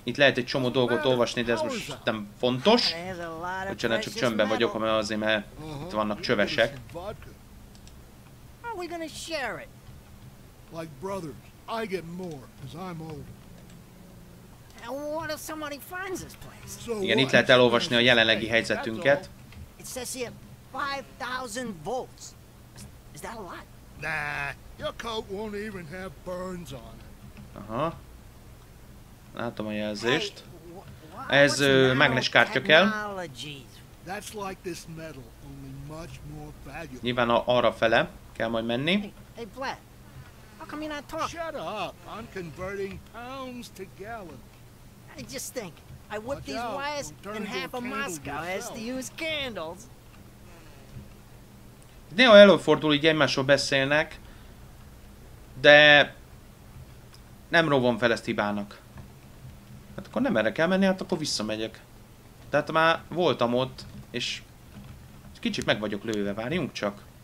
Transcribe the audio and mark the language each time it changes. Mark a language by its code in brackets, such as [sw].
[hu] Itt lehet egy csomó dolgot olvasni, de ez most nem fontos. Úgyhogy csak csömbben vagyok, mert azért, mert itt vannak csövesek. [en] How are we gonna share it? Like brothers. I get more, because I'm older. What if somebody finds this place? [hu] Igen, itt lehet elolvasni a jelenlegi helyzetünket. [en] It says here 5,000 volts. Is that a lot? Nah, your coat won't even have burns on it. [hu] Aha. Látom a jelzést. Ez mágneskártya kell. [en] That's like this metal, only much more valuable. [hu] Nyilván arra fele kell majd menni. [en] Hey, Vlad. How come you're not talking? Shut up. I'm converting pounds to gallons. I just think, I whip these wires and half of Moscow has to use candles. [hu] Néha előfordul, hogy egymásról beszélnek, de nem rovom fel ezt hibának. Hát akkor nem erre kell menni, hát akkor visszamegyek. Tehát már voltam ott, és kicsit meg vagyok lőve, várjunk csak.